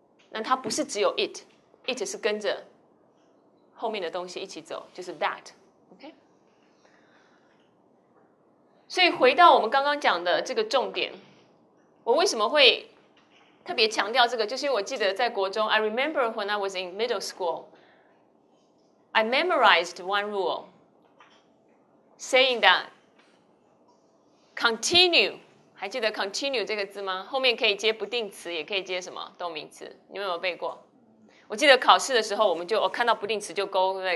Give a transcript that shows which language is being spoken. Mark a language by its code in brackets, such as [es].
[zh] 那它不是只有 it， it 是跟着后面的东西一起走，就是 that。OK？所以回到我们刚刚讲的这个重点，我为什么会特别强调这个？就是因为我记得在国中 [en] ，I remember when I was in middle school， I memorized one rule， saying that continue。 [zh] 还记得 continue 这个字吗？后面可以接不定词，也可以接什么动名词？你们有背过？我记得考试的时候，我们就哦看到不定词就勾，对不对？